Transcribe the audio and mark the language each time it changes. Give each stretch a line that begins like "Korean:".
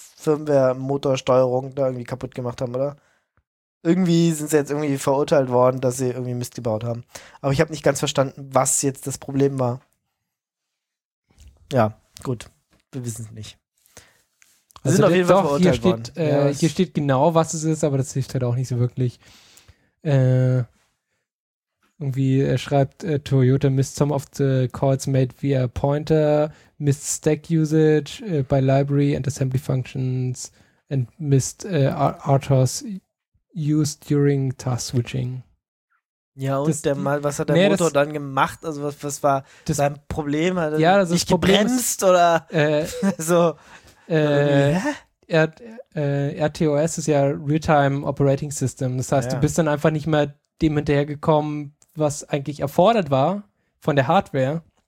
German: Firmware-Motorsteuerung da irgendwie kaputt gemacht haben, oder? Irgendwie sind sie jetzt irgendwie verurteilt worden, dass sie irgendwie Mist gebaut haben. Aber ich habe nicht ganz verstanden, was jetzt das Problem war. Ja, gut. Wir wissen es nicht. Sie also sind auf jeden Fall verurteilt worden. Steht, ja, hier steht genau, was es ist, aber das hilft halt auch nicht so wirklich. Irgendwie schreibt
English: Toyota missed some of the calls made via pointer, missed stack usage by library and assembly functions and missed RTOS used during task switching.
German: Ja, und das, der mal, was hat der Motor das, dann gemacht? Also was war das, sein Problem? Hat er ja, also nicht gebremst ist, oder so? RTOS ist ja Real-Time Operating System. Das heißt, du bist dann einfach nicht mehr dem hinterhergekommen, was eigentlich erfordert war von der Hardware.